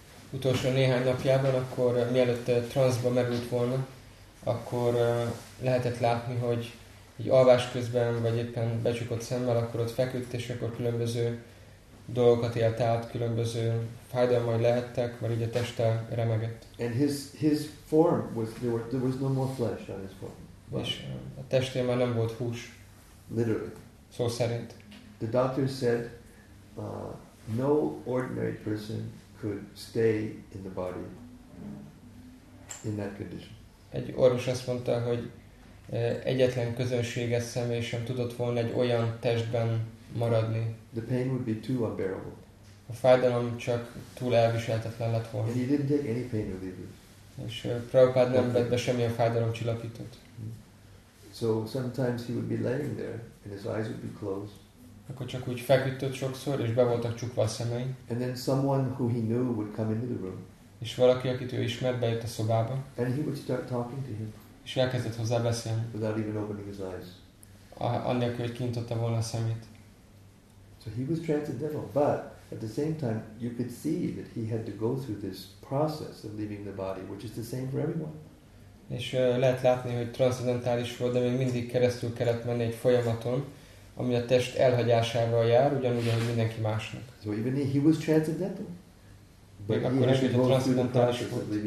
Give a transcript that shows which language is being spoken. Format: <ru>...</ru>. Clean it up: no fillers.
<hu>Utolsó néhány napjában, akkor mielőtt transzba merült volna, akkor lehetett látni, hogy egy alvás közben, vagy éppen becsukott szemmel, akkor ott feküdt, és akkor különböző dolgokat élt át, különböző fájdalmai lehettek, mert így a teste remegett.</hu> <en>And his form was, there was no more flesh on his form.</en> <hu>És a testén már nem volt hús.</hu> <en>Literally.</en> <hu>Szó szerint.</hu> <en>The doctor said, no ordinary person could stay in the body in that condition.</en> <hu>Egy orvos azt mondta, hogy egyetlen közönséges személy sem tudott volna egy olyan testben maradni.</hu> <en>The pain would be too unbearable.</en> <hu>A fájdalom csak túl elviselhetetlen lett volna.</hu> <en>And he didn't take any pain reliever.</en> <hu>És Prabhupád nem vett be semmilyen fájdalomcsillapítót.</hu> <en>So sometimes he would be laying there and his eyes would be closed.</en> <hu>Akkor csak úgy feküdt ott sokszor, és be voltak csukva a szemei.</hu> <en>And then someone who he knew would come into the room.</en> <hu>És valaki, akit ő ismert, bejött a szobába.</hu> <en>And he would start talking to him.</en> <hu>És elkezdett hozzá beszélni.</hu> <en>Without even opening his eyes.</en> <hu>Annélkül, hogy kinyitotta volna a szemét.</hu> <en>So he was transcendental, but at the same time you could see that he had to go through this process of leaving the body, which is the same for everyone.</en> <hu>És lehet látni, hogy transzendentális volt, de még mindig keresztül kellett menni egy folyamaton, ami a test elhagyásával jár, ugyanúgy, ahogy mindenki másnak.</hu> <en>So even he was transcendental.</en> <hu>Még akkor is, hogyha transzendentális volt.</hu>